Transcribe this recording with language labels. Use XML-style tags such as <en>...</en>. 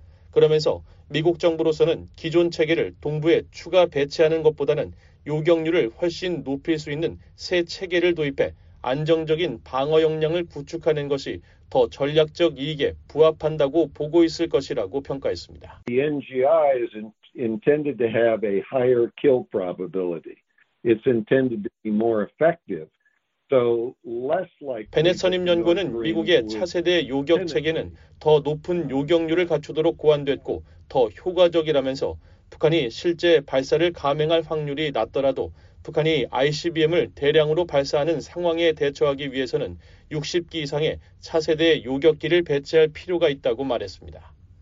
<ko>그러면서 미국 정부로서는 기존 체계를 동부에 추가 배치하는 것보다는 요격률을 훨씬 높일 수 있는 새 체계를 도입해 안정적인 방어 역량을 구축하는 것이 더 전략적 이익에 부합한다고 보고 있을 것이라고 평가했습니다.</ko> <en>The NGI is intended to have a higher kill probability. It's intended to be more effective. So less like</en> <ko>베넷 선임연구원은 미국의 차세대 요격 체계는 더 높은 요격률을 갖추도록 고안됐고 더 효과적이라면서 북한이 실제 발사를 감행할 확률이 낮더라도 북한이 ICBM을 대량으로 발사하는 상황에 대처하기 위해서는 60기 이상의 차세대 요격기를 배치할 필요가 있다고 말했습니다.</ko>